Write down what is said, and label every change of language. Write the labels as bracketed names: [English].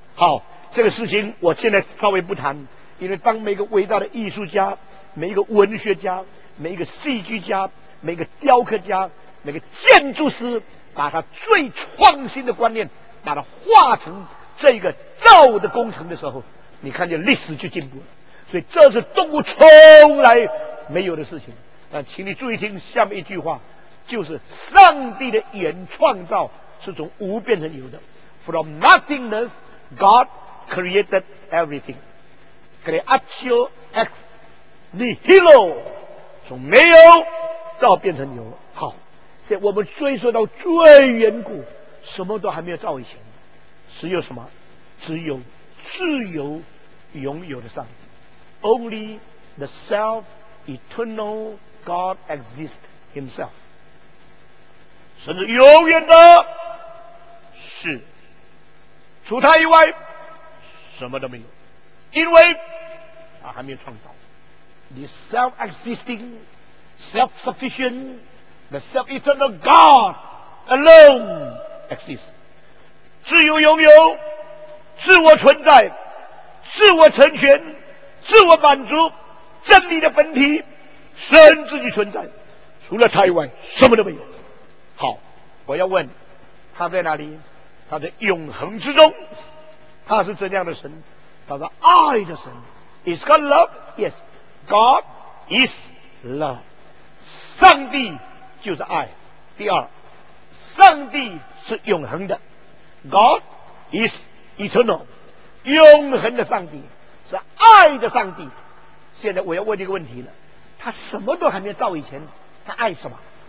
[Chinese] 好，这个事情我现在稍微不谈，因为当每个伟大的艺术家、每一个文学家、每一个戏剧家、每一个雕刻家、每个建筑师把他最创新的观念把它化成这个造的工程的时候，你看见历史就进步了。所以这是动物从来没有的事情。但请你注意听下面一句话，就是上帝的原创造是从无变成有的。 [English] From nothingness God created everything, creatio ex nihilo, [Chinese] 从没有造变成有。好，现在我们追溯到最远古，什么都还没有造以前，只有什么？只有自由拥有的上帝。 [English] Only the self eternal God exists himself, [Chinese] 甚至永远的是，除他以外什么都没有，因为他还没有创造。 [English] The self existing, self sufficient, the self eternal God aloneexist, [Chinese] 自由拥有，自我存在，自我成全，自我满足，真理的本体，神自己存在，除了他以外什么都没有。好，我要问他在哪里，他的永恒之中，他是怎样的神？他是爱的神。 [English] Is God love? Yes, God is love, [Chinese] 上帝就是爱。第二，上帝是永恒的， [English] God is eternal, [Chinese] 永恒的上帝是爱的上帝。现在我要问一个问题了，他什么都还没造以前，他爱什么？